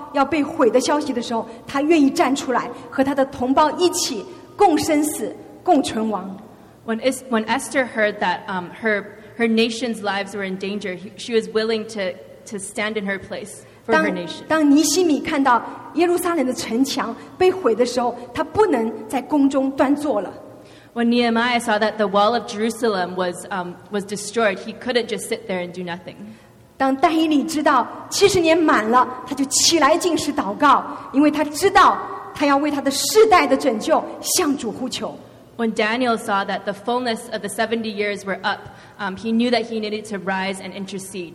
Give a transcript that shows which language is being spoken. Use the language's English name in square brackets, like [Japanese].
[Chinese] 当以斯帖知道自己的同胞要被毁的消息的时候, 他愿意站出来和他的同胞一起共生死共存亡。 [English] When Esther heard that her nation's lives were in danger, she was willing to stand in her place for her nation. [Chinese] 当尼希米看到耶路撒冷的城墙被毁的时候, 他不能在宫中端坐了。 [English] When Nehemiah saw that the wall of Jerusalem was destroyed, he couldn't just sit there and do nothing. [Chinese] 当但以理知道七十年满了，他就起来进食祷告，因为他知道他要为他的世代的拯救向主呼求。 [English] When Daniel saw that the fullness of the 70 years were up, he knew that he needed to rise and intercede.